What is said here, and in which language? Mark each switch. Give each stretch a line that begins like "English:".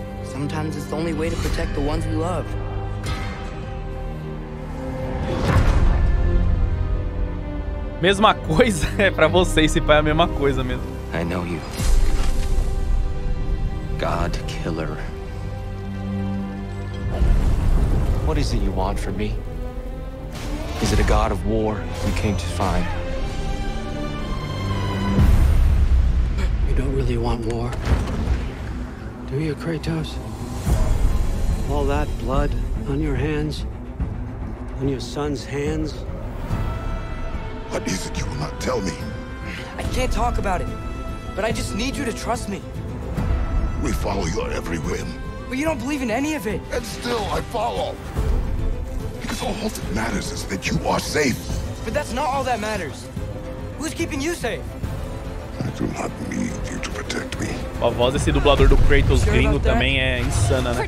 English: Sometimes it's the only way to protect the ones we love.
Portuguese: Mesma coisa é pra vocês, se pai, é a mesma coisa mesmo.
English: I know you. God killer. What is it you want from me? Is it a god of war you came to find? You don't really want war, do you, Kratos? All that blood on your hands, on your son's hands. What is it you will not tell me? I can't talk about it, but I just need you to trust me. We follow your every whim. But you don't believe in any of it. And still, I follow. Because all that matters is that you are safe. But that's not all that matters. Who's keeping you safe? I do not need you to protect me.
Portuguese: A voz desse dublador do Kratos sure gringo também é insana, né?